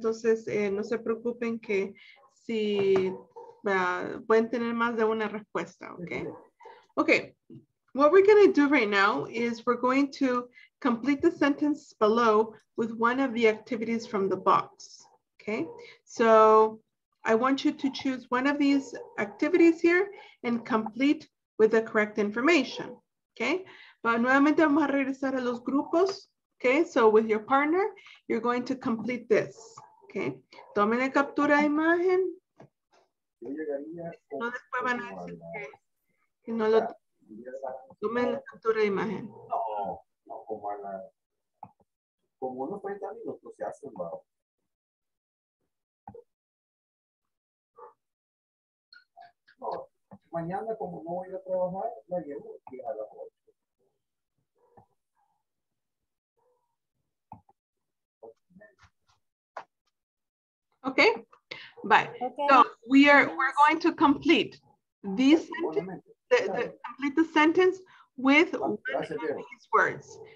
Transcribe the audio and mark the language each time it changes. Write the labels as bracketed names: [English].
[Spanish] Entonces, no se preocupen que si pueden tener más de una respuesta, okay? [English] Okay, what we're going to do right now is we're going to complete the sentence below with one of the activities from the box, okay? So I want you to choose one of these activities here and complete with the correct information, okay? But [Spanish] nuevamente vamos a regresar a los grupos, [English] okay? So with your partner, you're going to complete this, okay? [Spanish] Tomen la captura de imagen. No, después van a decir que no lo tomen la captura de imagen. No, como a la. Como unos 30 minutos se hacen, ¿no? No, mañana, como no voy a trabajar, la llevo aquí a las 8. [English] Okay, bye. Okay. So we're going to complete this sentence, complete the sentence with these words.